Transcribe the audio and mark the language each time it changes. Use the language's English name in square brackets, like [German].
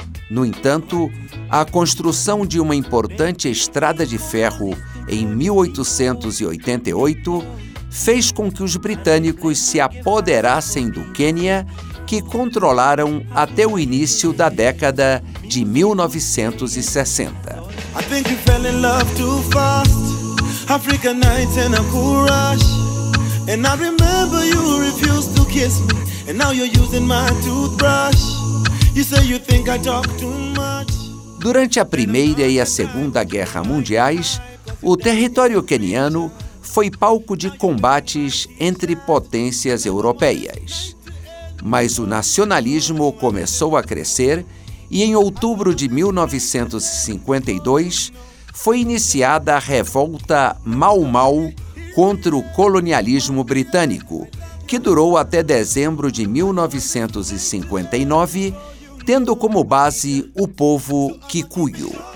[Portuguese] No entanto, a construção de uma importante estrada de ferro em 1888 fez com que os britânicos se apoderassem do Quênia, que controlaram até o início da década de 1960. [English] I think you fell in love too fast. Africa nights and a cool rush. And I remember you refused to kiss me. And now you're using my toothbrush. You say you think I talk too much. [Portuguese] Durante a Primeira e a Segunda Guerra Mundiais, O território queniano foi palco de combates entre potências europeias. Mas o nacionalismo começou a crescer e, em outubro de 1952, foi iniciada a revolta Mau Mau contra o colonialismo britânico, que durou até dezembro de 1959, tendo como base o povo Kikuyu.